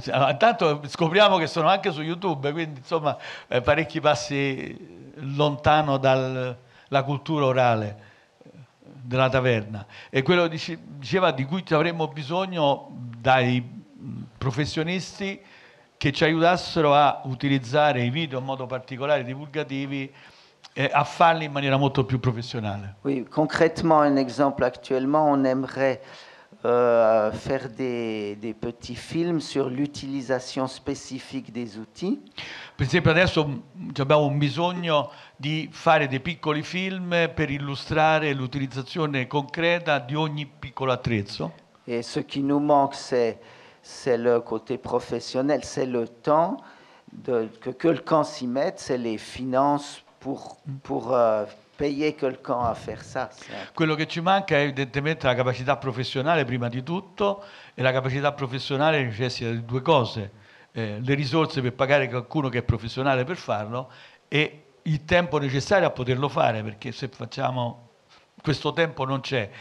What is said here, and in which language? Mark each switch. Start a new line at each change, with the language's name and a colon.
Italian: Intanto scopriamo che sono anche su YouTube, quindi insomma parecchi passi lontano dalla cultura orale della taverna. E quello diceva di cui avremmo bisogno dai professionisti che ci aiutassero a utilizzare i video in modo particolare, divulgativi, a farli in maniera molto più professionale.
French: Oui, concrètement, un exemple actuellement, on aimerait faire des petits films sur l'utilisation spécifique des outils.
Italian: Per esempio, adesso abbiamo un bisogno di fare dei piccoli film per illustrare l'utilizzazione concreta di ogni piccolo attrezzo.
French: Et ce qui nous manque, c'est le côté professionnel, c'est le temps que quelqu'un s'y mette, c'est les finances pour payer quelqu'un a faire ça.
Italian: Quello che ci manca è evidentemente la capacità professionale prima di tutto, e la capacità professionale necessita di due cose: le risorse per pagare qualcuno che è professionale per farlo e il tempo necessario a poterlo fare, perché se facciamo questo tempo non c'è.